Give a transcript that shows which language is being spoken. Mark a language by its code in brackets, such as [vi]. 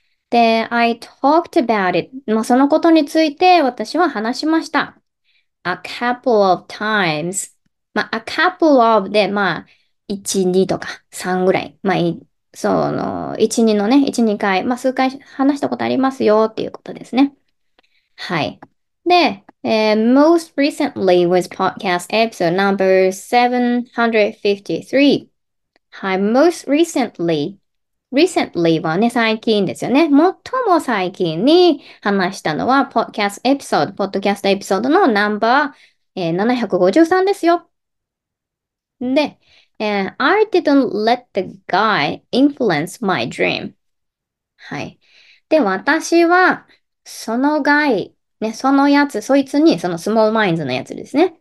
[ja] で、 [en] I talked about it、 [ja] まあそのことについて私は話しました。 [en] A couple of times、 [ja] まあ A couple of で、まあ1、2とか3ぐらい、まあその 1,2 のね、 1,2 回、まあ数回話したことありますよっていうことですね。 [en] はい、で、Most recently was podcast episode number 753。 はい、 Most recently、 recently はね、 [ja] 最近ですよね。最も最近に話したのは podcast episode、 podcast episode のナンバー、753ですよ。 [en] で、I didn't let the guy influence my dream。 [ja] はい、で、私はそのガイね、そのやつ、そいつに、そのスモールマインズのやつですね。